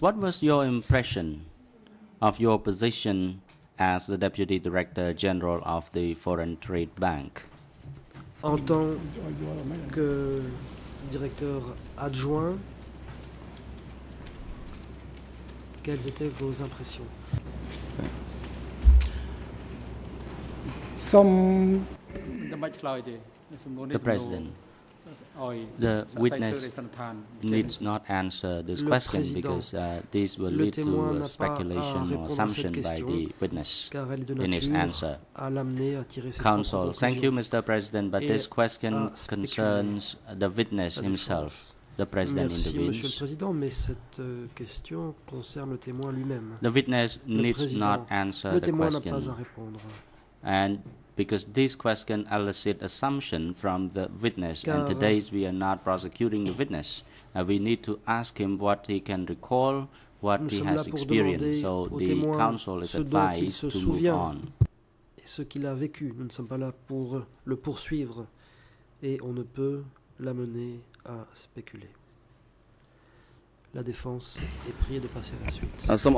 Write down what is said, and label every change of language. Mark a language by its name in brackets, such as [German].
[English] What was your impression of your position as the Deputy Director General of the Foreign Trade Bank? [French] En tant que directeur adjoint, quelles étaient vos impressions? [English] The President. The witness needs not answer this question because this will lead to a speculation or assumption by the witness in his answer. Counsel, thank you, Mr. President, but this question concerns the witness himself, the President intervenes. The witness needs not answer the question. And because this question elicits assumption from the witness, [French] car [English] and today we are not prosecuting the witness. We need to ask him what he can recall, what he has experienced. So the counsel is advised to move on. [French] Et ce qu'il a vécu. Nous ne sommes pas là pour le poursuivre et on ne peut l'amener à spéculer. La défense est priée de passer à la suite.